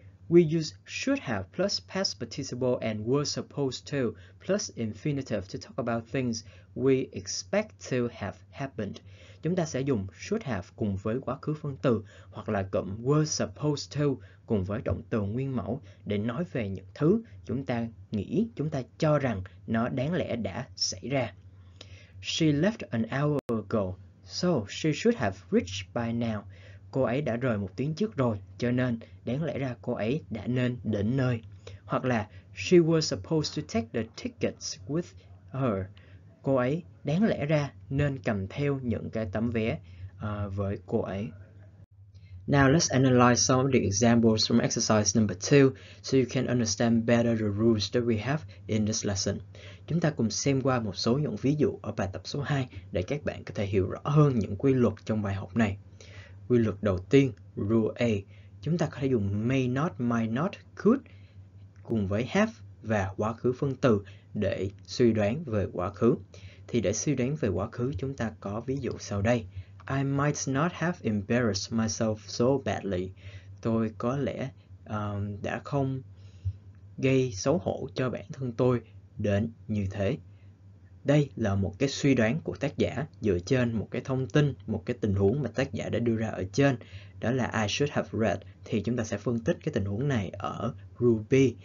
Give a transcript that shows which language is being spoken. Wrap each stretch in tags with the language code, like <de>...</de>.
<en>We use should have plus past participle and were supposed to plus infinitive to talk about things we expect to have happened.</en> <vi>Chúng ta sẽ dùng should have cùng với quá khứ phân từ hoặc là cụm were supposed to cùng với động từ nguyên mẫu để nói về những thứ chúng ta nghĩ, chúng ta cho rằng nó đáng lẽ đã xảy ra.</vi> <en>She left an hour ago, so she should have reached by now.</en> <vi>Cô ấy đã rời một tiếng trước rồi, cho nên đáng lẽ ra cô ấy đã nên đến nơi. Hoặc là</vi> <en>she was supposed to take the tickets with her.</en> <vi>Cô ấy đáng lẽ ra nên cầm theo những cái tấm vé với cô ấy.</vi> <en>Now let's analyze some of the examples from exercise number 2 so you can understand better the rules that we have in this lesson.</en> <vi>Chúng ta cùng xem qua một số những ví dụ ở bài tập số 2 để các bạn có thể hiểu rõ hơn những quy luật trong bài học này. Quy luật đầu tiên, rule A, chúng ta có thể dùng may not, might not, could cùng với have và quá khứ phân từ để suy đoán về quá khứ. Thì để suy đoán về quá khứ, chúng ta có ví dụ sau đây.</vi> <en>I might not have embarrassed myself so badly.</en> <vi>Tôi có lẽ đã không gây xấu hổ cho bản thân tôi đến như thế. Đây là một cái suy đoán của tác giả dựa trên một cái thông tin, một cái tình huống mà tác giả đã đưa ra ở trên. Đó là</vi> <en>I should have read.</en> <vi>Thì chúng ta sẽ phân tích cái tình huống này ở rule B.</vi>